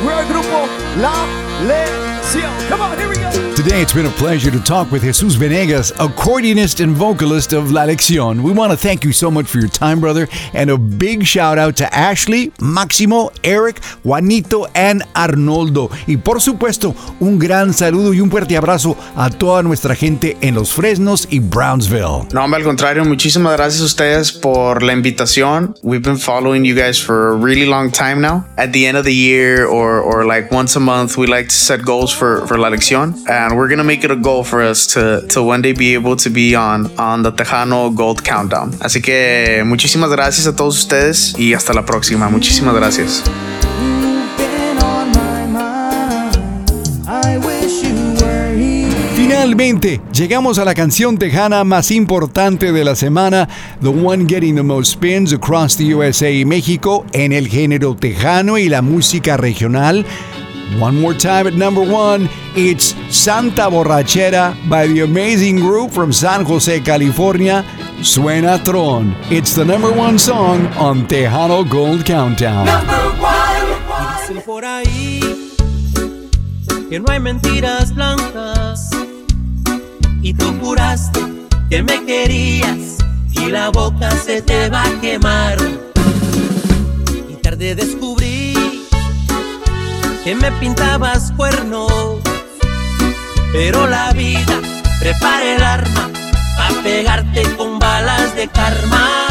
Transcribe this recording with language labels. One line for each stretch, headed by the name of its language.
English: We're a grupo La Lección. Come on, here we go. Today it's been a pleasure to talk with Jesus Venegas, accordionist and vocalist of La Lección. We want to thank you so much for your time, brother, and a big shout out to Ashley, Máximo, Eric, Juanito, and Arnoldo.
Spanish: Y por supuesto, un gran saludo y un fuerte abrazo a toda nuestra gente en Los Fresnos y Brownsville. No, hombre, al contrario, muchísimas gracias a ustedes por la invitación.
English: We've been following you guys for a really long time now. At the end of the year or like once a month, we like to set goals for La Lección. And we're gonna make it a goal for us to one day be able to be on the Tejano Gold Countdown.
Spanish: Así que muchísimas gracias a todos ustedes y hasta la próxima. Muchísimas gracias. Finalmente, llegamos a la canción tejana más importante de la semana,
English: the one getting the most spins across the USA
Spanish: y México en el género tejano y la música regional.
English: One more time at number one, it's Santa Borrachera by the amazing group from San Jose, California, Suena Tron. It's the number one song on Tejano Gold Countdown. Number one.
Spanish: Dicen por ahí que no hay mentiras blancas. Y tú juraste que me querías y la boca se te va a quemar. Y tarde descubrí que me pintabas cuernos, pero la vida prepara el arma pa' pegarte con balas de karma.